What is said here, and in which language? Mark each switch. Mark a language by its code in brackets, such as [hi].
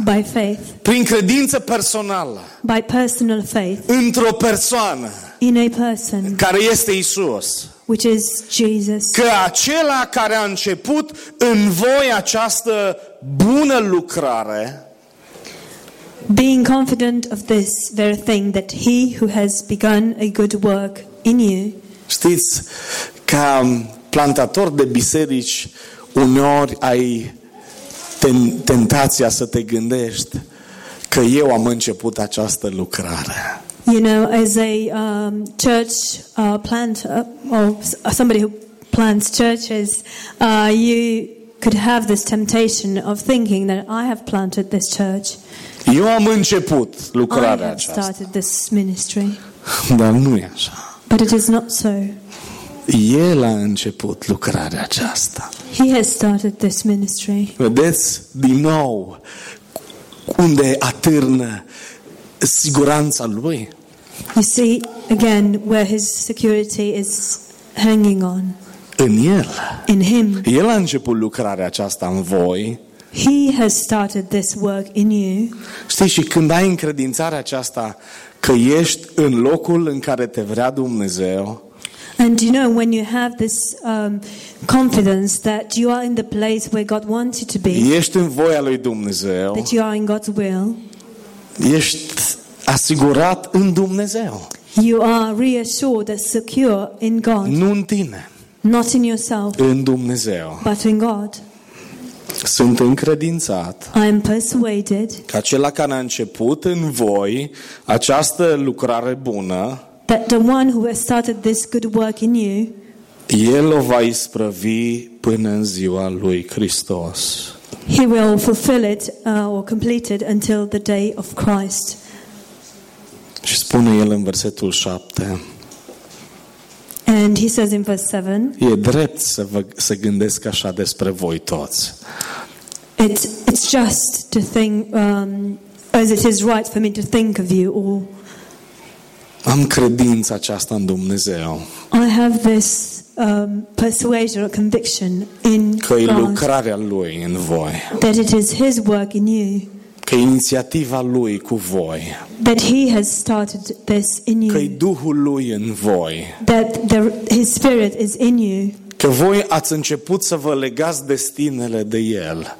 [en] By faith. [ro] Prin credință personală. [en] By personal faith. [ro] Într-o persoană. [en] In a person. [ro] Care este Isus. [en] Which is Jesus. [ro] Că acela care a început în voi această bună lucrare. [en] Being confident of this very thing, that he who has begun a good work in you. [ro] Știți, ca plantator de biserici, uneori ai tentația să te gândești că eu am început această lucrare. [en] You know, as a church planter, or somebody who plants churches, you could have this temptation of thinking that I have planted this church. [ro] Eu am început lucrarea aceasta. [en] I have started this ministry. [ro] Dar nu e așa. [en] But it is not so. [ro] El a început lucrarea aceasta. [en] He has started this ministry. [ro] Vedeți din nou unde atârnă siguranța lui. [en] You see again where his security is hanging on. [ro] În el. [en] In him. [ro] El a început lucrarea aceasta în voi. [en] He has started this work in you. [ro] Știi, și când ai încredințarea aceasta că ești în locul în care te vrea Dumnezeu. [en] And you know when you have this confidence that you are in the place where God wants you to be. [ro] Ești în voia lui Dumnezeu. [en] That you are in God's will. [ro] Ești asigurat în Dumnezeu. [en] You are reassured and secure in God. [ro] Nu în tine. [en] Not in yourself. [ro] În Dumnezeu. [en] But in God. [ro] Sunt încredințat. [en] I am persuaded. [ro] Că acela care a început în voi această lucrare bună. [en] That the one who has started this good work in you. [ro] El o va isprăvi până în ziua lui Hristos. [en] He will fulfill it or complete it until the day of Christ. [ro] Și spune el în versetul 7. [en] And he says in verse 7. [ro] E drept să gândesc așa despre voi toți. [en] It's just to think as it is right for me to think of you all. [ro] Am credința aceasta în Dumnezeu. [en] I have this persuasion or conviction in God. [ro] Că e lucrarea lui în voi. [en] That it is his work in you. [ro] Că e inițiativa lui cu voi. [en] That he has started this in you. [ro] Că e Duhul lui în voi. [en] That his spirit is in you. [ro] Că voi ați început să vă legați destinele de el.